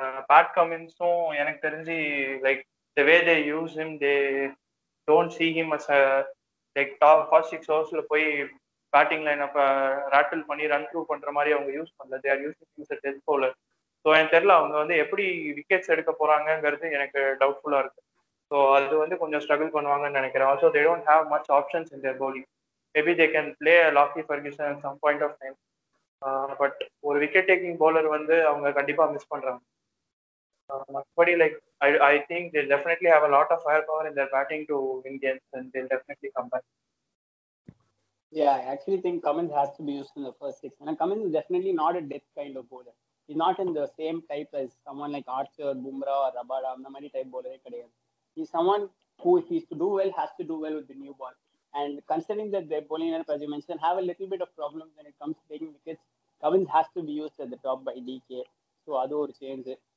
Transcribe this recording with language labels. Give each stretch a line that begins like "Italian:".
English: Pat Cummins so enak therinji like the way they use him they don't see him as a like top first six overs la poi batting line up rattle panni run through pandra mari avanga use pannala they are using him as a test bowler.
Tamil: So enak therla avanga vandu eppadi wickets edukka poranga ngiradhu enak doubtful a irukku. So, அது வந்து கொஞ்சம் struggle பண்ணுவாங்கன்னு நினைக்கிறேன்.
English: Also, they don't have much options in their bowling. Maybe they can play a Lockie Ferguson at some point of time.
Tamil: But ஒரு wicket taking bowler வந்து அவங்க கண்டிப்பாக miss பண்ணுறாங்க. மற்றபடி
English: Like I think they definitely have a lot of fire power in their batting to win games and they definitely come back. Yeah, I actually think Cummins has to be used in the first six. And Cummins is definitely not a depth kind of bowler. He's not in the same type as someone like Archer, Bumrah or Rabada.
Tamil: அந்த மாதிரி type bowlerே கிடையாது.
English: He's someone who, if he's to do well, has to do well with the new ball. And considering that their bowling lineup, as you mentioned, have a little bit of problems when it comes to taking wickets, Cummins has to be used at the top by DK. So, that's one change.